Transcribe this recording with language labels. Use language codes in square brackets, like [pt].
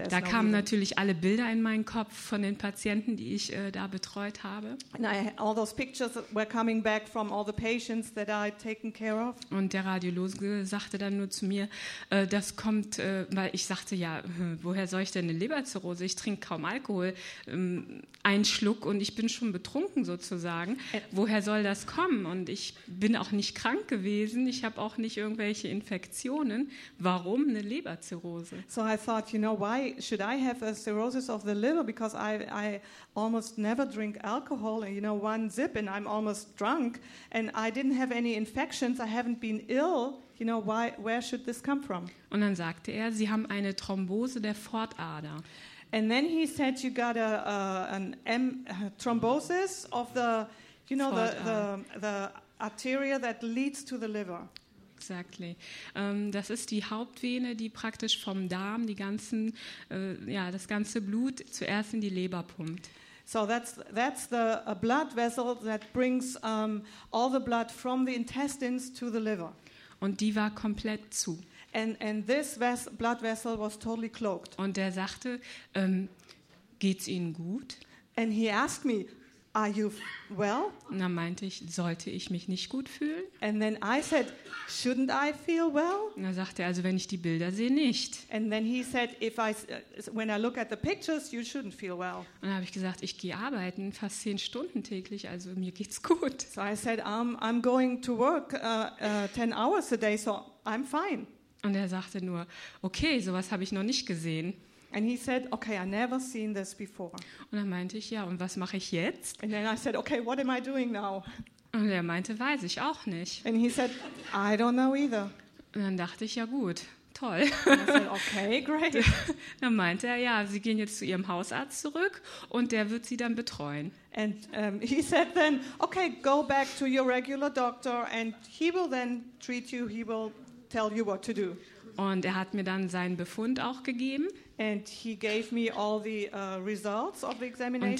[de] da kamen natürlich alle Bilder in meinen Kopf von den Patienten, die ich da betreut habe. [en] All those pictures were coming back from all the patients that I had taken care of. [de] Und der Radiologe sagte dann nur zu mir, das kommt, weil ich sagte, ja, woher soll ich denn eine Leberzirrhose? Ich trinke kaum Alkohol, einen Schluck und ich bin schon betrunken sozusagen. Woher soll das kommen? Und ich bin auch nicht krank gewesen, ich habe auch nicht irgendwelche Infektionen. Warum eine Leberzirrhose? [en] So I thought, you know, why should I have a cirrhosis of the liver? Because I almost never drink alcohol, and you know, one sip and I'm almost drunk. And I didn't have any infections. I haven't been ill. You know, why? Where should this come from? [de] Und dann sagte er, Sie haben eine Thrombose der Pfortader. [en] And then he said, you got a thrombosis of the, you know, the arteria that leads to the liver. Exactly. [de] Das ist die Hauptvene, die praktisch vom Darm die ganzen, das ganze Blut zuerst in die Leber pumpt. [en] So that's the blood vessel that brings all the blood from the intestines to the liver. [de] Und die war komplett zu. [en] And this blood vessel was totally cloaked. [de] Und der sagte, geht's Ihnen gut? [en] And he asked me, are you well? [de] Und dann meinte ich, sollte ich mich nicht gut fühlen? [en] And then I said, shouldn't I feel well? [de] Und dann sagte er, also wenn ich die Bilder sehe, nicht. [en] And then he said, if I, when I look at the pictures, you shouldn't feel well. [de] Und dann habe ich gesagt, ich gehe arbeiten, fast 10 Stunden täglich, also mir geht's gut. [en] So I said, I'm going to work 10 hours a day, so I'm fine. [de] Und er sagte nur, okay, sowas habe ich noch nicht gesehen. [en] And he said, okay, I never seen this before. [de] Und dann meinte ich, ja, und was mache ich jetzt? [en] And then I said, okay, what am I doing now? [de] Und er meinte, weiß ich auch nicht. [en] And he said, I don't know either. [de] Und dann dachte ich, ja gut, toll. [en] And I said, okay, great. [de] Dann meinte er, ja, Sie gehen jetzt zu Ihrem Hausarzt zurück und der wird Sie dann betreuen. [en] And he said then, okay, go back to your regular doctor and he will then treat you, he will tell you what to do. [de] Und er hat mir dann seinen Befund auch gegeben. [en] And he gave me all the results of the examinations.